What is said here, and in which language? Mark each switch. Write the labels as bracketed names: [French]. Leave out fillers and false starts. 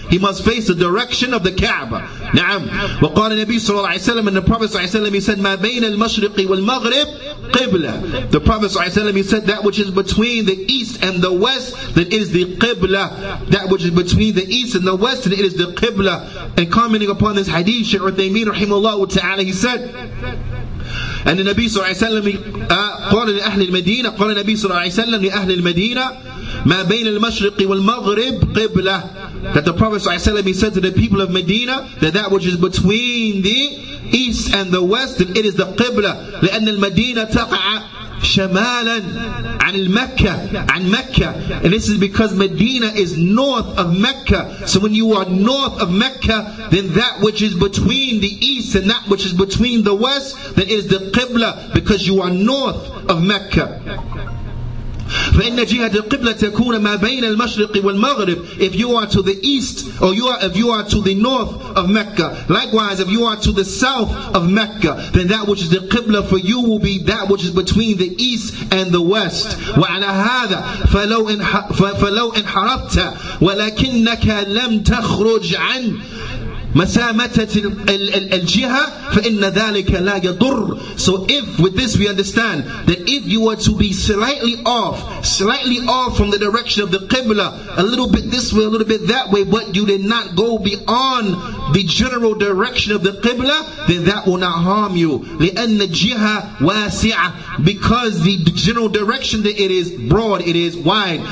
[English] He must face the direction of the Kaaba. [Arabic] نعم. وقال النبي صلى الله عليه وسلم [English] and the Prophet [Arabic] صلى الله عليه وسلم [English] he said, [Arabic] مَا بَيْنَ الْمَشْرِقِ وَالْمَغْرِبِ Qibla. [English] The Prophet ﷺ, he said, that which is between the east and the west, that is the Qibla. That which is between the east and the west, and it is the Qibla. And commenting upon this hadith, Shaykh Uthaymeen, rahimahullah ta'ala, he said, and the Nabi ﷺ, [Arabic] قال لأهل المدينة, قال النبي صلى الله عليه وسلم لأهل المدينة, ما بين المشرق والمغرب قبلة. [English] That the Prophet ﷺ, he said to the people of Medina, that which is between the east and the west, and it is the Qibla. [Arabic] لأن المدينة تقع شمالا عن المكة عن مكة. [English] And this is because Medina is north of Mecca. So when you are north of Mecca, then that which is between the east and that which is between the west, then it is the Qibla, because you are north of Mecca. [Arabic] فإن جهة القبلة تكون ما بين المشرق والمغرب [English] if you are to the east or you are if you are to the north of Mecca likewise if you are to the south of Mecca then that which is the Qibla for you will be that which is between the east and the west [Arabic] وعلى هذا فلو انحرفت ولكنك لم تخرج عن مسامته الجهة فإن ذلك لا يضر. [English] So if with this we understand that if you were to be slightly off from the direction of the Qibla, a little bit this way, a little bit that way, but you did not go beyond the general direction of the Qibla, then that will not harm you. [Arabic] لأن الجهة واسعة, [English] because the general direction that it is broad, it is wide.